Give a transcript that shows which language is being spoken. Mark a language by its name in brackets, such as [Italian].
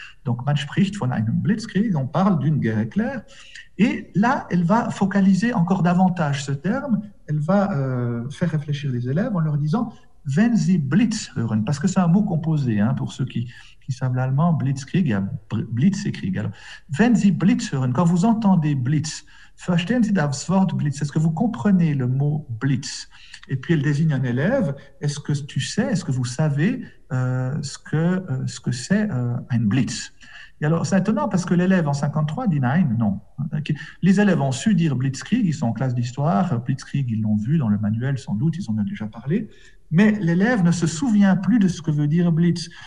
[French] Donc, [German] man spricht von einem Blitzkrieg, [French] on parle d'une guerre éclair. Et là, elle va focaliser encore davantage ce terme. Elle va faire réfléchir les élèves en leur disant, [German] wenn sie Blitz hören, [French] parce que c'est un mot composé, hein, pour ceux qui savent l'allemand, Blitzkrieg, il y a Blitzkrieg. [German] Alors, wenn sie Blitz hören, [French] quand vous entendez Blitz, [German] verstehen Sie das Wort Blitz? [French] Est-ce que vous comprenez le mot Blitz? Et puis, elle désigne un élève, est-ce que tu sais, est-ce que vous savez ce que c'est un Blitz. Et alors, c'est étonnant parce que l'élève en 53 dit Nein, non. Okay. Les élèves ont su dire Blitzkrieg, ils sont en classe d'histoire, Blitzkrieg, ils l'ont vu dans le manuel sans doute, ils en ont déjà parlé, mais l'élève ne se souvient plus de ce que veut dire Blitz.